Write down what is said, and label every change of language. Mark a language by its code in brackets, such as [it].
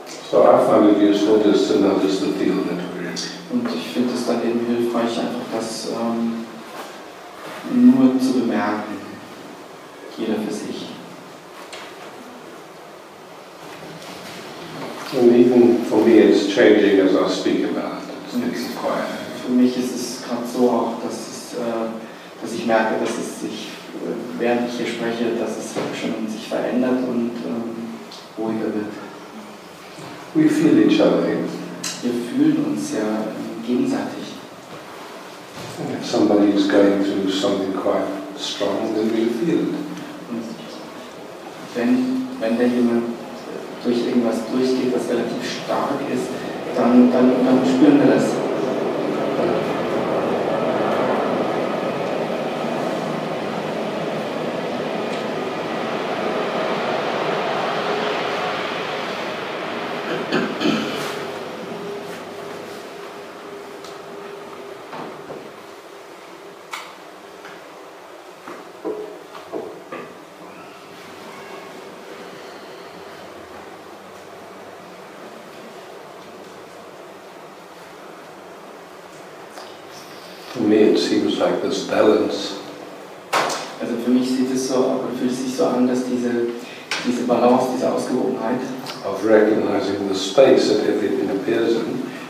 [en] So I find it useful just to notice the field that we're in. [de] Und ich finde es dann eben hilfreich, einfach das nur zu bemerken, jeder für sich. [en] And even for me it's changing as I speak about it. It's getting quieter. [de] Für mich ist es gerade so auch, dass ich merke, dass es sich, während ich hier spreche, dass es schon sich verändert und ruhiger wird. [en] We feel each other. [de] Wir fühlen uns ja gegenseitig. [en] And if somebody is going through something quite strong, then we feel it. [de] Und wenn denn jemand durch irgendwas durchgeht, was relativ stark ist, dann spüren wir das. [en] For me, it seems like this balance. [de] Also für mich sieht es so, oder fühlt es sich so an, dass diese Balance, diese Ausgewogenheit. [en] Of recognizing the space that everything appears in.